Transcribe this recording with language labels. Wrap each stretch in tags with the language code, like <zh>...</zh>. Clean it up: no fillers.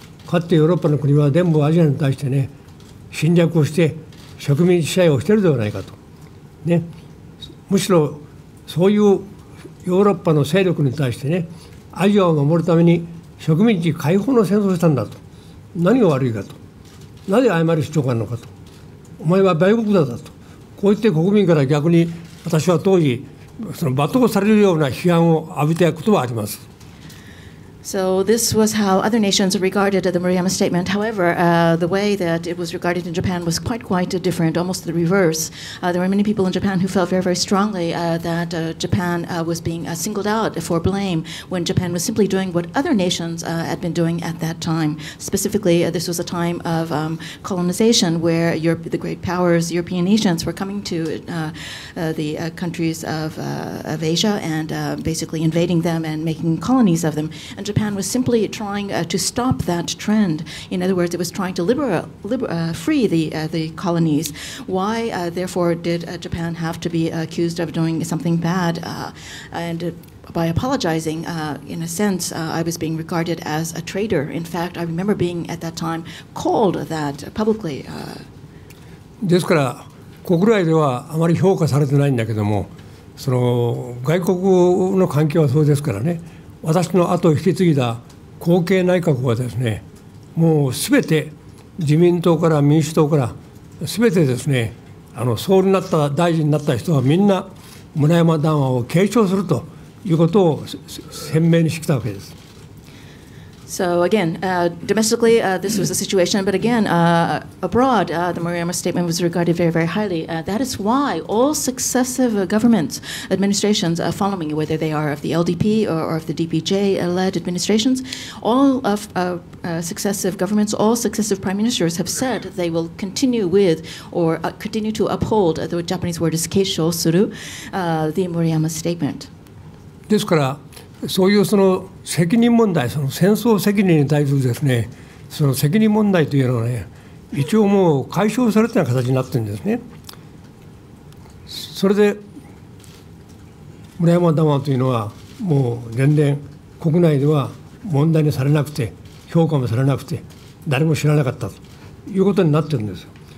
<ja>かつてヨーロッパの国は全部アジアに対してね、侵略をして植民地支配をしているではないかと、ね、むしろそういうヨーロッパの勢力に対してね、アジアを守るために植民地解放の戦争をしたんだと。何が悪いかと、なぜ誤る主張があるのかと、お前は米国だぞと、こう言って国民から逆に私は当時その罵倒されるような批判を浴びていくことはあります。</ja> <en>So this was how other nations regarded the Murayama statement. However, the way that it was regarded in Japan was quite different, almost the reverse. There were many people in Japan who felt very, very strongly that Japan was being singled out for blame when Japan was simply doing what other nations had been doing at that time. Specifically, this was a time of colonization where the great powers, European nations, were coming to the countries of Asia and basically invading them and making colonies of them. And Japan was simply trying to stop that trend. In other words, it was trying to free the colonies. Why, therefore, did Japan have to be accused of doing something bad? And by apologizing, in a sense, I was being regarded as a traitor. In fact, I remember being at that time called that publicly.</en> <ja>ですから、国内ではあまり評価されてないんだけども、その外国の環境はそうですからね。私の後を引き継いだ後継内閣はですね、もうすべて自民党から民主党からすべてですね、総理になった大臣になった人はみんな村山談話を継承するということを鮮明にしてきたわけです。</ja> <en>So again, domestically, this was the situation. But again, abroad, the Murayama statement was regarded very, very highly. That is why all successive governments, administrations following, whether they are of the LDP or of the DPJ-led administrations, all of successive governments, all successive prime ministers have said they will continue with or continue to uphold, the Japanese word is keisho suru, the Murayama statement.</en> <ja>ですから、そういうその責任問題、その戦争責任に対するですね、その責任問題というのはね、一応もう解消されたような形になってるんですね。それで村山談話というのはもう全然国内では問題にされなくて、評価もされなくて、誰も知らなかったということになってるんですよ。</ja>